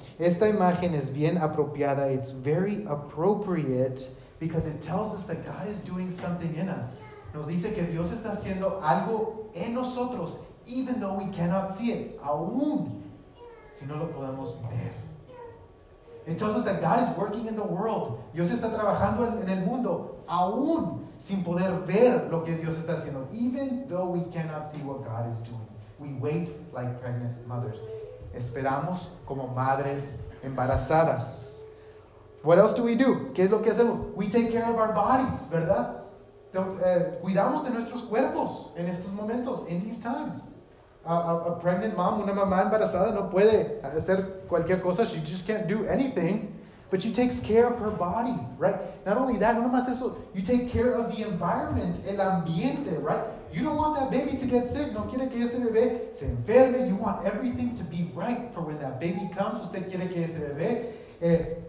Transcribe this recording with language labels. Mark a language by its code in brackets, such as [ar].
[es] Esta imagen es bien apropiada. [en] It's very appropriate because it tells us that God is doing something in us. [es] Nos dice que Dios está haciendo algo en nosotros, [en] even though we cannot see it, [es] aún si no lo podemos ver. [en] It tells us that God is working in the world. [es] Dios está trabajando en el mundo, aún sin poder ver lo que Dios está haciendo. [en] Even though we cannot see what God is doing, we wait like pregnant mothers. [es] Esperamos como madres embarazadas. [en] What else do we do? [es] ¿Qué es lo que hacemos? [en] We take care of our bodies, ¿verdad? [es] Cuidamos de nuestros cuerpos en estos momentos, [en] in these times. A pregnant mom, [es] una mamá embarazada, no puede hacer cualquier cosa. [en] She just can't do anything. But she takes care of her body, right? Not only that, [es] no más eso. [en] You take care of the environment, [es] el ambiente, [en] right? You don't want that baby to get sick. [es] No quiere que ese bebé se enferme. [en] You want everything to be right for when that baby comes. [es] Usted quiere que ese bebé